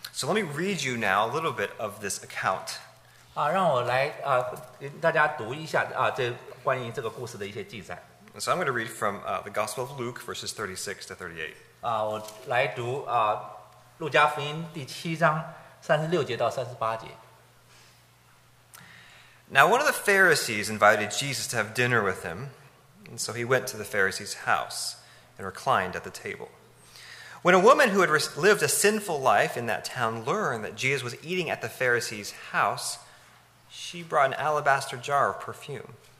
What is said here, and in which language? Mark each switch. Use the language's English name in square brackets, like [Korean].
[English] So let me read you now a little bit of this account. [Chinese] 让我来给大家读一下这关于这个故事的一些记载。 [English] So I'm going to read from the Gospel of Luke, verses 36 to 38. [Chinese] 我来读路加福音第七章36节到38节。 [English] Now one of the Pharisees invited Jesus to have dinner with him, and so he went to the Pharisee's house and reclined at the table. When a woman who had lived a sinful life in that town learned that Jesus was eating at the Pharisee's house, she brought an alabaster jar of perfume.